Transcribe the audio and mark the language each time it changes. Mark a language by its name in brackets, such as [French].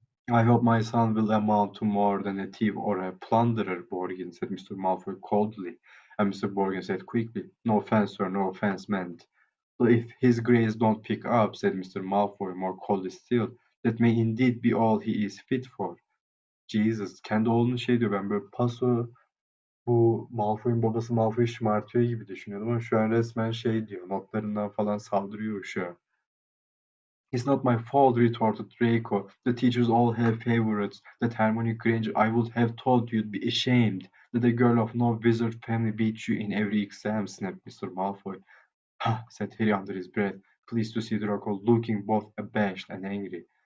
[English] I hope my son will amount to more than a thief or a plunderer, Borgin, said Mr. Malfoy coldly. And Mr. Borgin said quickly, no offense, sir, no offense meant. But if his grace don't pick up, said Mr. Malfoy, more coldly still, that may indeed be all he is fit for. [Turkish] Jesus, kendi oğlunu şey diyor, ben böyle paso bu Malfoy'un babası Malfoy'u şımartıyor gibi düşünüyordum ama şu an resmen şey diyor, notlarından falan saldırıyor şu an. [English] It's not my fault, retorted Draco. The teachers all have favorites. That Hermione Granger, I would have told you'd be ashamed. That a girl of no wizard family beat you in every exam, snapped Mr. Malfoy. Ha, said Harry under his breath, pleased to see Draco looking both abashed and angry.